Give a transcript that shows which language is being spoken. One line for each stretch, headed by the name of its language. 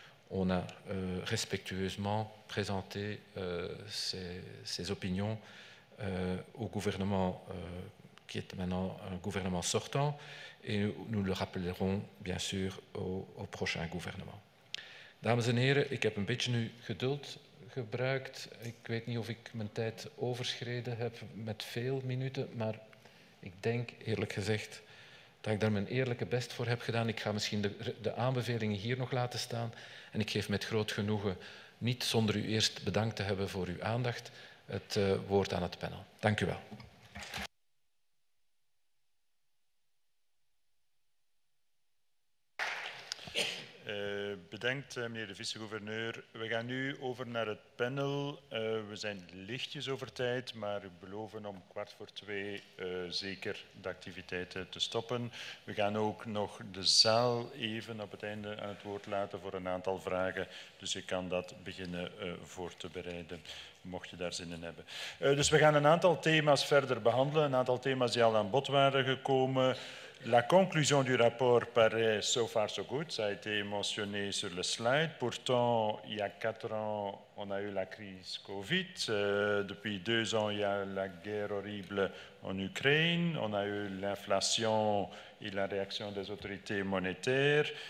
French: On a respectueusement présenté ces opinions au gouvernement qui est maintenant un gouvernement sortant et nous le rappellerons bien sûr au prochain gouvernement.
Dutch: Dames en heren, ik heb een beetje nu geduld gebruikt. Ik weet niet of ik mijn tijd overschreden heb met veel minuten, maar ik denk eerlijk gezegd dat ik daar mijn eerlijke best voor heb gedaan. Ik ga misschien de aanbevelingen hier nog laten staan en ik geef met groot genoegen, niet zonder u eerst bedankt te hebben voor uw aandacht, het woord aan het panel. Dank u wel. Bedankt, meneer de vice-gouverneur. We gaan nu over naar het panel. We zijn lichtjes over tijd, maar we beloven om 14:45 zeker de activiteiten te stoppen. We gaan ook nog de zaal even op het einde aan het woord laten voor een aantal vragen. Dus je kan dat beginnen voor te bereiden, mocht je daar zin in hebben. Dus we gaan een aantal thema's verder behandelen, een aantal thema's die al aan bod waren gekomen.
French: La conclusion du rapport paraît
English: so far so good,
French: ça a été mentionné sur le slide. Pourtant, il y a 4 ans, on a eu la crise Covid. Depuis 2 ans, il y a la guerre horrible en Ukraine. On a eu l'inflation et la réaction des autorités monétaires.